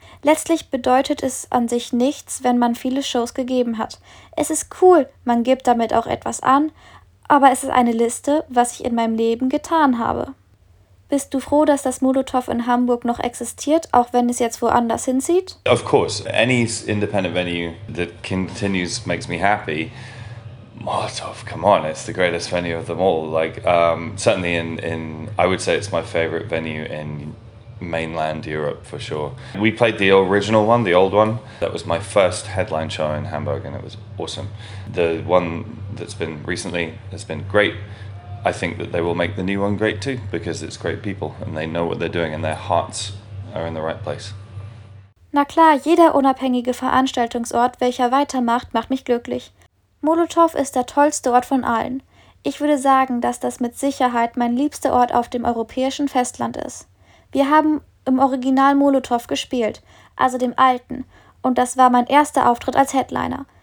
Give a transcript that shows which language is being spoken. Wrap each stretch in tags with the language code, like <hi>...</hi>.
<de>Letztlich bedeutet es an sich nichts, wenn man viele Shows gegeben hat. Es ist cool, man gibt damit auch etwas an, aber es ist eine Liste, was ich in meinem Leben getan habe. Bist du froh, dass das Molotow in Hamburg noch existiert, auch wenn es jetzt woanders hinzieht?</de> <en>Of course, any independent venue that continues makes me happy. Molotow, come on, it's the greatest venue of them all. Like, certainly in, I would say it's my favorite venue in mainland Europe for sure. We played the original one, the old one. That was my first headline show in Hamburg and it was awesome. The one that's been recently has been great. I think that they will make the new one great too, because it's great people and they know what they're doing and their hearts are in the right place.</en> <de>Na klar, jeder unabhängige Veranstaltungsort, welcher weitermacht, macht mich glücklich. Molotow ist der tollste Ort von allen. Ich würde sagen, dass das mit Sicherheit mein liebster Ort auf dem europäischen Festland ist. Wir haben im Original Molotow gespielt, also dem alten, und das war mein erster Auftritt als Headliner.</de>